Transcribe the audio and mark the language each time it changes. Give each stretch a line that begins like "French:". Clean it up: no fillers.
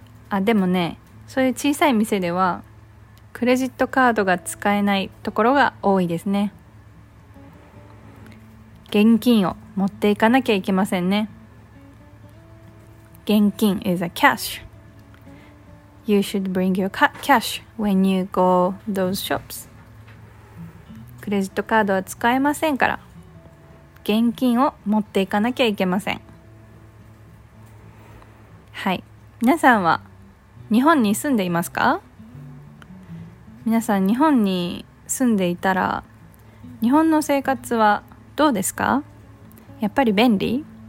Japanese: あ、でもね、そういう小さい店ではクレジットカードが使えないところが多いですね。現金を持っていかなきゃいけませんね。
English: 現金 is a cash. You should bring your cash when you go those shops. ク
Japanese: レジットカードは使えませんから現金を持っていかなきゃいけません。はい、皆さんは日本に住んでいますか？皆さん日本に住んでいたら日本の生活はどうですか？やっぱり便利？